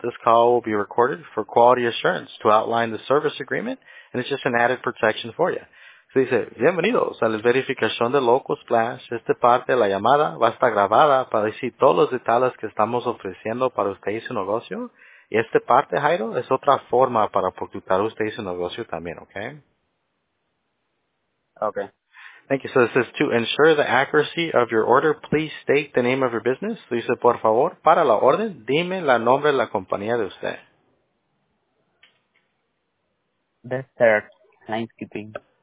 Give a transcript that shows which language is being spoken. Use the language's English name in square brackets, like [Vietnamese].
[English] This call will be recorded for quality assurance to outline the service agreement, and it's just an added protection for you. She said, [Spanish] bienvenidos a la verificación de Local Splash. Esta parte de la llamada va a estar grabada para decir todos los detalles que estamos ofreciendo para usted y su negocio. Y esta parte, Jairo, es otra forma para protectar usted y su negocio también, ¿ok? [English] Okay. Thank you. So this is to ensure the accuracy of your order, please state the name of your business. So you say, [Spanish] por favor, para la orden, dime la nombre de la compañía de usted. [English] Dexter Landscaping.